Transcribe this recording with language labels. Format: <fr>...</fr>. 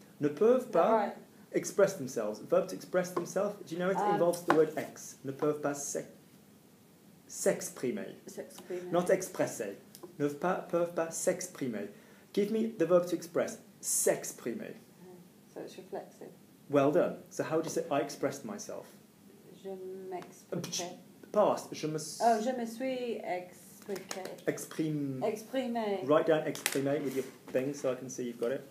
<fr>Ne peuvent pas</fr> <en>express themselves. Verb to express themselves. Do you know it involves the word ex?</en> <fr>Ne peuvent pas s'exprimer. S'exprimer.</fr> <en>Not expresser.</en> <fr>Ne peuvent pas s'exprimer.</fr> <en>Give me the verb to express.</en> <fr>S'exprimer.</fr> <en>So it's reflexive. Well done. So how do you say I expressed myself?</en> <fr>Je m'exprimais.</fr> <en>Past.</en> <fr>Je me suis exprimé. Okay. Exprimer.</fr> <en>Write down exprimer with your thing so I can see you've got it.</en>